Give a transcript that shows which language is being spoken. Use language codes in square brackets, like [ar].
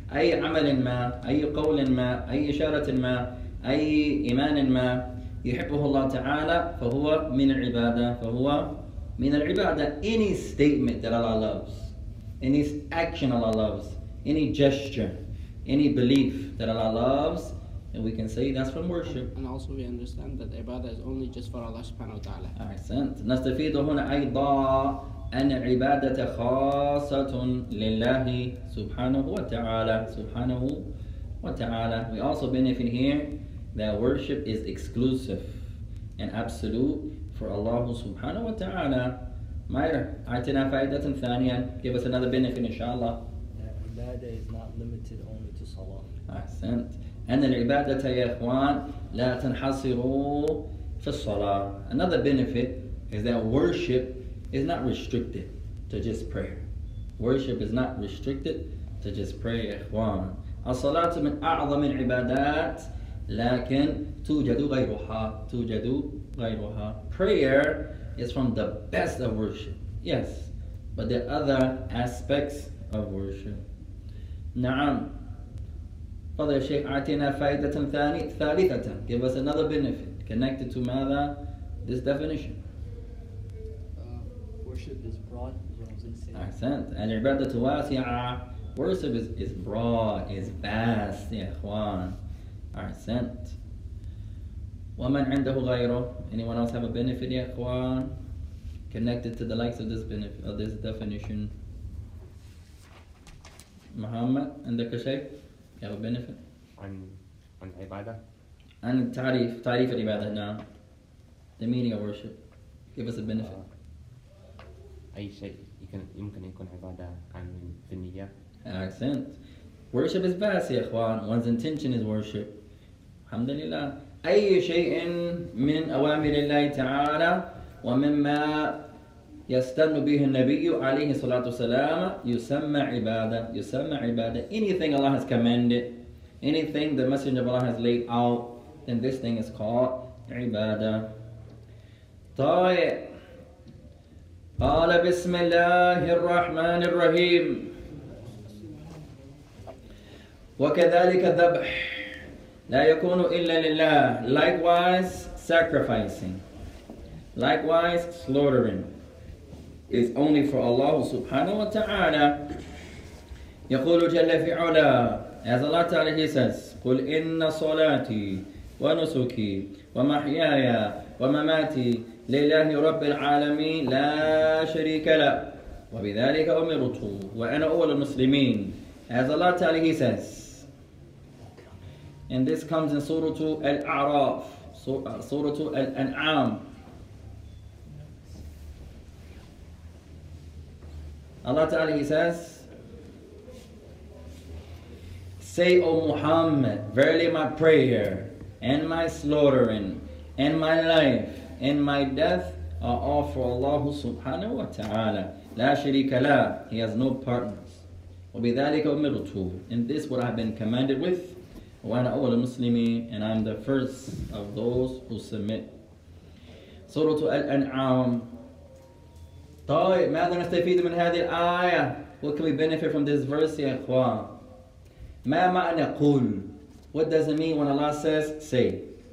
[ar] أي عمل ما أي قول ما أي إشارة ما أي إيمان ما يحبه الله تعالى فهو من العبادة فهو من العبادة. [en] Any statement that Allah loves, any action Allah loves, any gesture, any belief that Allah loves, and we can say that's from worship. And also we understand that ibadah is only just for Allah subhanahu wa ta'ala. [ar] أحسنت. نستفيد هنا أيضا أن عبادة خاصة لله سبحانه وتعالى سبحانه وتعالى. [en] We also benefit here that worship is exclusive and absolute for Allah subhanahu wa ta'ala. Mayr, [ar] أعطنا فائدة ثانية. [en] Give us another benefit inshallah. That ibadah is not limited only to salah. [ar] أحسنت. أن العبادة يا إخوان لا تنحصر في الصلاة. [en] Another benefit is that worship is not restricted to just prayer. Worship is not restricted to just prayer, [ar] يا إخوان. الصلاة من أعظم العبادات لكن توجد غيرها. توجد غيرها. [en] Prayer is from the best of worship. Yes, but there are other aspects of worship. [ar] نعم. فضل الشيخ أعطينا فائدة ثالثة. [en] Give us another benefit connected to ماذا? This definition. Worship is broad, as well as insane. أحسنت. Worship is broad, is vast, يا إخوان. أحسنت. [ar] ومن عنده غيره? [en] Anyone else have a benefit, [ar] يا إخوان? [en] Connected to the likes of this benefit, of this definition. Muhammad, [ar] عندك شيء? [en] You have a benefit? [ar] عن عبادة؟ عن التعريف, تعريف العبادة نعم. [en] The meaning of worship. Give us a benefit. [ar] أي شيء يمكن يكون عبادة عن النية. [en] Accent. Worship is vast, يا إخوان. One's intention is worship. [ar] الحمد لله. أي شيء من أوامر الله تعالى ومما يستن به النبي عليه الصلاة والسلام يسمى عبادة. يسمى عبادة. [en] Anything Allah has commanded, anything the Messenger of Allah has laid out, then this thing is called عبادة. [ar] طيب. قال بسم الله الرحمن الرحيم وكذلك ذبح لا يكون إلا لله. [en] Likewise sacrificing, likewise slaughtering is only for Allah subhanahu wa ta'ala. [ar] يقول جل في علا, [en] as Allah ta'ala he says, [ar] قل إن صلاتي ونسكي ومحياي ومماتي لله رب العالمين لا شريك له وبذلك أمرته وأنا أول المسلمين. [en] As Allah ta'ala he says, and this comes in Surah Al-A'raf, Surah Al-An'am. Allah ta'ala he says, say, O Muhammad, verily my prayer and my slaughtering and my life and my death are all for Allah subhanahu wa ta'ala. La sharika la, he has no partners. [ar] وَبِذَلِكَ أُمِرْتُ, [en] and this what I have been commanded with. [ar] وَأَنَا أَوَلُ مُسْلِمِينَ, [en] and I'm the first of those who submit. Surah Al-An'am. [ar] طيب, ماذا نستفيد من هذه الآية? [en] What can we benefit from this verse, [ar] يا إخوان? ما معنى قول? [en] What does it mean when Allah says, say?